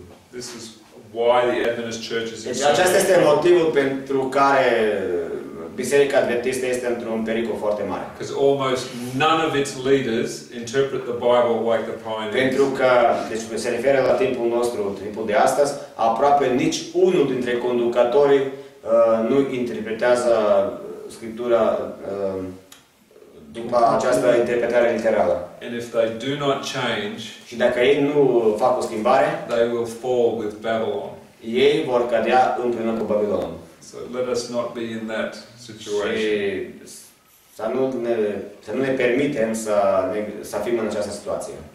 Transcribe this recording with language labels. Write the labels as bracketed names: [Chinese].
[English] This is why the Adventist Church is. [Romanian] Deci acesta este motivul pentru care Biserica Adventistă este într-un pericol foarte mare. [English] Because almost none of its leaders interpret the Bible like the pioneers. [Romanian] Pentru că, deci se referă la timpul nostru, timpul de astăzi, aproape nici unul dintre conducători nu interpretează Scriptura după această interpretare literală. [English] And if they do not change, [Romanian] și dacă ei nu fac o schimbare, [English] they will fall with Babylon. [Romanian] Ei vor cădea împreună cu Babilon. [English] So let us not be in that situation. [Romanian] Și să nu ne permitem să fim în această situație.